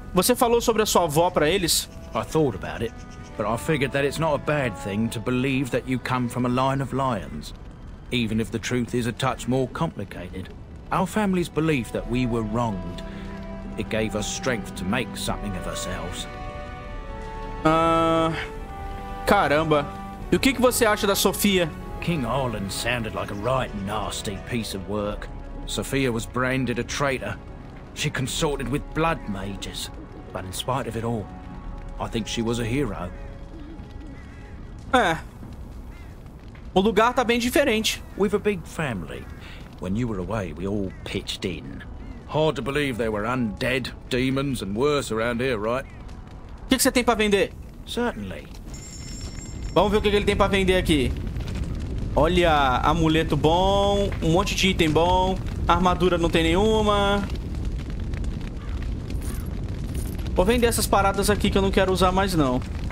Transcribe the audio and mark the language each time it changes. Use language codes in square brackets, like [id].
[pt] Você falou sobre a sua avó pra eles? [en] I thought about it, but I figured that it's not a bad thing to believe that you come from a line of lions. Even if the truth is a touch more complicated. Our family's belief that we were wronged, it gave us strength to make something of ourselves. [pt] Caramba. E o que você acha da Sofia? [en] King Arlen sounded like a right nasty piece of work. Sofia was branded a traitor. She consorted with blood mages. But in spite of it all, I think she was a hero. [pt] É. O lugar tá bem diferente. [en] We've a big family. When you were away, we all pitched in. Hard to believe there were undead, demons and worse around here, right? [pt] O que você tem pra vender? [en] Certainly. [pt] Vamos ver o que ele tem pra vender aqui. Olha, amuleto bom, um monte de item bom, armadura não tem nenhuma. Vou vender essas paradas aqui que eu não quero usar mais não.